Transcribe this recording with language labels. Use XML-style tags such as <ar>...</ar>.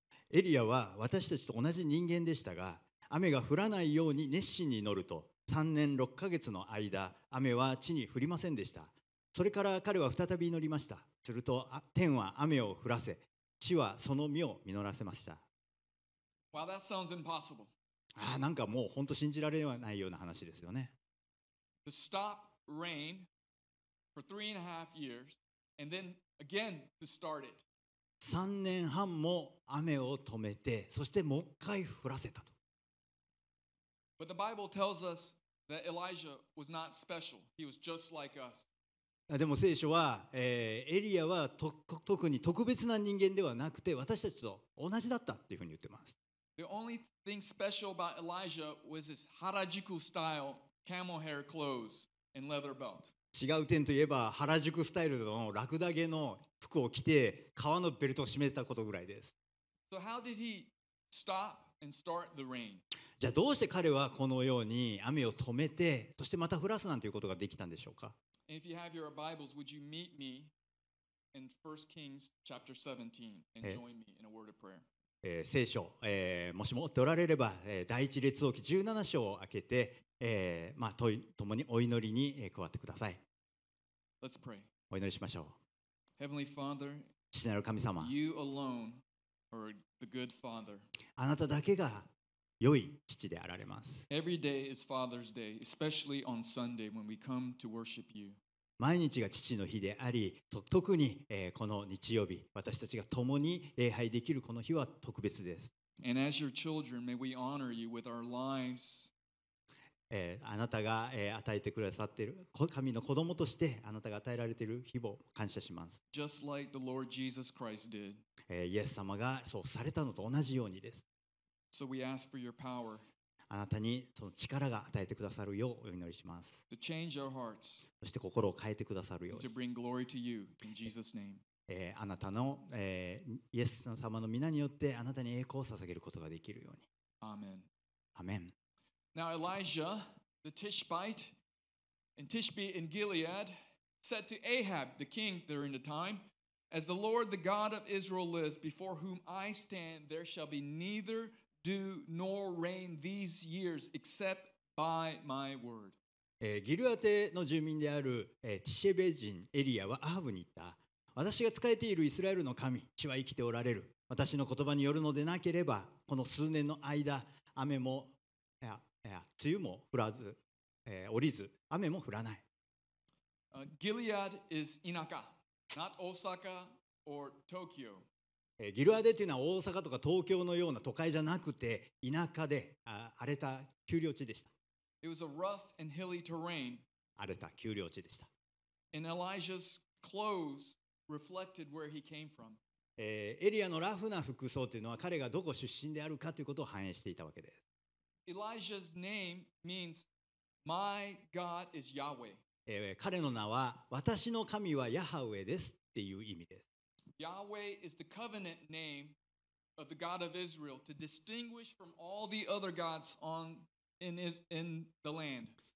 <ja>エリアは私たちと同じ人間でしたが、雨が降らないように熱心に祈ると3年6ヶ月の間雨は地に降りませんでした。それから彼は再び祈りました。すると天は雨を降らせ、地はその実を実らせました。</ja> <en>Wow, that sounds impossible.</en> <ja>なんかもう本当信じられないような話ですよね。</ja> <en>To stop rain for 3.5 years and then again to start it.</en> <ja>3年半も雨を止めて、そしてもう一回降らせたと。</ja> <en>But the Bible tells us that Elijah was not special. He was just like us.</en> <ja>でも聖書は、エリアは特に特別な人間ではなくて私たちと同じだったっていうふうに言ってます。</ja> <en>The only thing special about Elijah was his Harajuku style camel hair clothes and leather belt.</en> <ja>違う点といえば原宿スタイルのラクダ毛の服を着て革のベルトを締めたことぐらいです。</ja> <en>So how did he stop and start the rain?</en> <ja>じゃあどうして彼はこのように雨を止めてそしてまた降らすなんていうことができたんでしょうか。</ja> <en>And if you have your Bibles, would you meet me in 1 Kings chapter 17 and join me in a word of prayer?</en> <ja>聖書、もしも持っておられれば、第一列王記17章を開けて、まあ、共にお祈りに、加わってください。</ja> <en>Let's pray.</en> <ja>お祈りしましょう。</ja> <en>Heavenly Father,</en> <ja>父なる神様、</ja> <en>you alone are the good father.</en> <ja>あなただけが良い父であられます。</ja> <en>Every day is Father's Day, especially on Sunday when we come to worship you.</en> <ja>毎日が父の日であり、特に、この日曜日、私たちが共に礼拝できるこの日は特別です。</ja> <en>And as your children, may we honor you with our lives.</en> <ja>あなたが、与えてくださっている神の子供としてあなたが与えられている日を感謝します。</ja> <en>Just like the Lord Jesus Christ did.</en> <ja>イエス様がそうされたのと同じようにです。</ja> <en>So we ask for your power.</en> <ja>あなたにその力が与えてくださるようお祈りします。</ja> <en>To change our hearts.</en> <ja>そして心を変えてくださるように。</ja> <en>To bring glory to you in Jesus' name.</en> <ja>あなたの、イエス様の皆によってあなたに栄光を捧げることができるように。</ja> <en>Amen. Amen. Now Elijah, the Tishbite, and Tishbe in Gilead, said to Ahab, the king during the time. As the Lord, the God of Israel lives, before whom I stand, there shall be neither dew nor rain these years, except by my word.</en> <ja>ギルアテの住民である、ティシェベ人エリアはアハブに言った。私が仕えているイスラエルの神、主は生きておられる。私の言葉によるのでなければ、この数年の間、雨も、梅雨も降らず、降りず、雨も降らない。</ja> <en>ギリアデ is 田舎。Not Osaka or Tokyo.</en> <ja>ギルアデというのは大阪とか東京のような都会じゃなくて田舎で荒れた丘陵地でした。</ja> <en>It was a rough and hilly terrain.</en> <ja>荒れた丘陵地でした。</ja> <en>And Elijah's clothes reflected where he came from.</en> <ja>エリアのラフな服装というのは彼がどこ出身であるかということを反映していたわけです。</ja> <en>Elijah's name means My God is Yahweh.</en> <ja>彼の名は私の神はヤハウェですっていう意味です。</ja> <en>Yahweh is the covenant name of the God of Israel to distinguish from all the other gods in the land.</en>